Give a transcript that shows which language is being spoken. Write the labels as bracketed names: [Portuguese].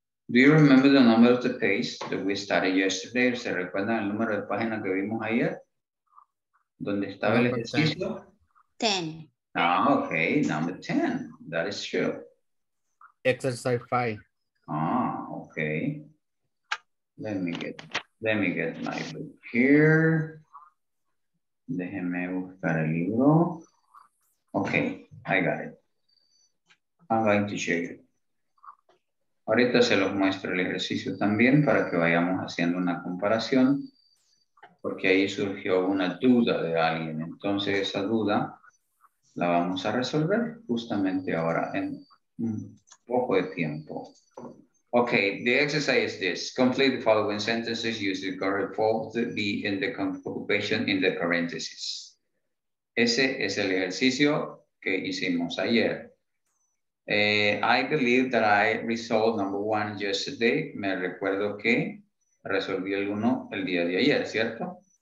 [English] Do you remember the number of the page that we started yesterday? [Spanish] ¿Se recuerdan el número de página que vimos ayer? ¿Dónde estaba el ejercicio? 10. [English] Ah, okay, number 10. That is true. Exercise 5. Ah, okay. Let me get my book here. [Spanish] Déjeme buscar el libro. [English] Okay, I got it. I'm going to show you. [Spanish] Ahorita se los muestro el ejercicio también para que vayamos haciendo una comparación, porque ahí surgió una duda de alguien. Entonces esa duda la vamos a resolver justamente ahora en un poco de tiempo. [English] Okay, the exercise is this. Complete the following sentences using the correct form to be in the occupation in the parentheses. [Spanish] Ese es el ejercicio que hicimos ayer. [English] I believe that I resolved number one yesterday. [Spanish] Me recuerdo que resolví el uno el día de ayer, ¿cierto?